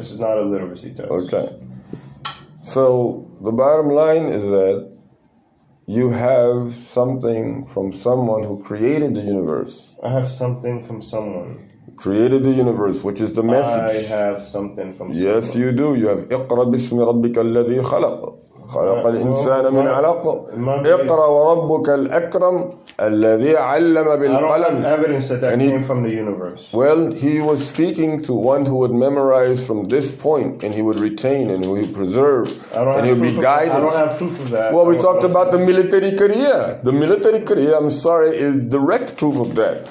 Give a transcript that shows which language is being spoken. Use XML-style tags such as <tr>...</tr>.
<en>This is not a literacy test. Okay. So the bottom line is that you have something from someone who created the universe. I have something from someone. Created the universe, which is the message. I have something from someone. Yes, you do. You have</en> <ar>اقرأ باسم ربك الذي خلق. خلق الإنسان من علق. اقرأ وربك الأكرم الذي علم بالقلم.</ar> <en>I don't have evidence that and came from the universe. Well, he was speaking to one who would memorize from this point, and he would retain, and he would preserve, and he would be guided. I don't have proof of that. Well, we talked about the military career. The military career, I'm sorry, is direct proof of that.</en>